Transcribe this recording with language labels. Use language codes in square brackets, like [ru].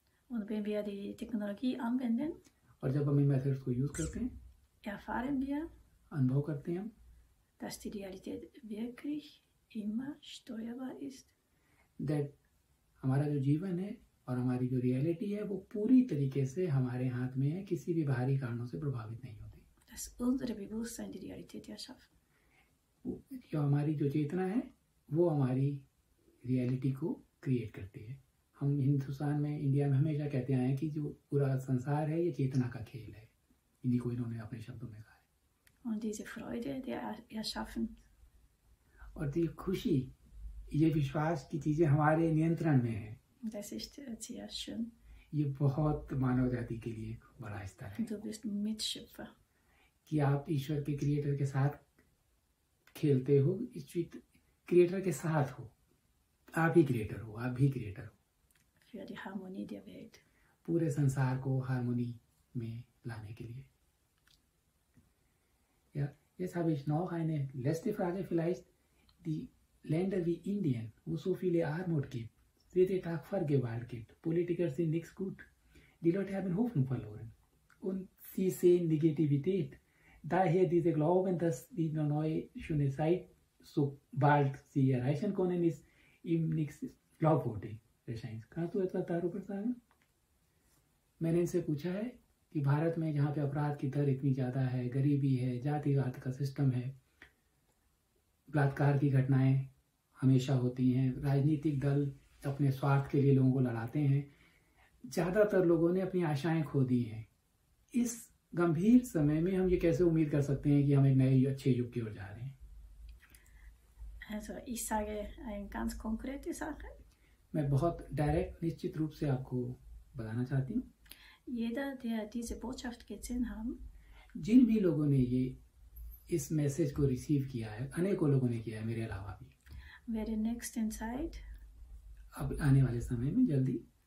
[de] Und wenn wir die Technologie anwenden, [hi] और जब हम इन मेथड्स को यूज करते हैं, [de] erfahren wir, [hi] अनुभव करते हैं, [de] dass die Realität wirklich immer steuerbar ist. [en] That [hi] हमारा जो जीवन है और हमारी जो रियलिटी है वो पूरी तरीके से हमारे हाथ में है, किसी भी बाहरी कारणों से प्रभावित नहीं होती. [de] Das unsere Bewusstsein die Realität erschafft. [hi] जो हमारी जो चेतना है वो हमारी रियलिटी को क्रिएट करती है. हम हिंदुस्तान में, इंडिया में हमेशा कहते आए हैं कि जो पूरा संसार है ये चेतना का खेल है, इन्हीं को इन्होंने अपने शब्दों में कहा है. [de] Und diese Freude, die erschaffen. [hi] और ये खुशी, ये विश्वास की चीजें हमारे नियंत्रण में है. [de] Das ist sehr schön. [hi] ये बहुत मानव जाति के लिए बड़ा स्तर है. [de] Du bist Mitschöpfer. [hi] कि आप ईश्वर के क्रिएटर के साथ खेलते हो, क्रिएटर के साथ हो, आप ही क्रिएटर हो, आप भी क्रिएटर हो. [de] Für die Harmonie der Welt. [hi] पूरे संसार को हारमोनी में लाने के लिए. [de] Jetzt habe ich noch eine letzte Frage vielleicht. Die Länder wie Indien, wo so viele Armut gibt, jede Tag vergewaltigt, Politiker sind nichts gut, die Leute haben Hoffnung verloren und sie sehen Negativität. Daher diese Glauben, dass die neue schöne Zeit, sobald sie erreichen können, ist ihm nichts glaubwürdig erscheint. Kannst du etwas darüber sagen? [hi] Meine Inse Pucha hai. कि भारत में जहाँ पे अपराध की दर इतनी ज्यादा है, गरीबी है, जातिवाद का सिस्टम है, बलात्कार की घटनाएं हमेशा होती हैं, राजनीतिक दल अपने स्वार्थ के लिए लोगों को लड़ाते हैं, ज्यादातर लोगों ने अपनी आशाएं खो दी हैं, इस गंभीर समय में हम ये कैसे उम्मीद कर सकते हैं कि हम एक नए अच्छे युग की ओर जा रहे हैं? [de] Also, ich sage eine ganz konkrete Sache. [hi] मैं बहुत डायरेक्ट निश्चित रूप से आपको बताना चाहती हूँ. [de] Jeder, der diese Botschaft gesehen haben, [hi] जिन भी लोगों ने ये इस मैसेज को रिसीव किया है, अनेकों लोगों ने किया है मेरे अलावा भी, [de] werden [en] next inside, [hi] अब आने वाले समय में जल्दी,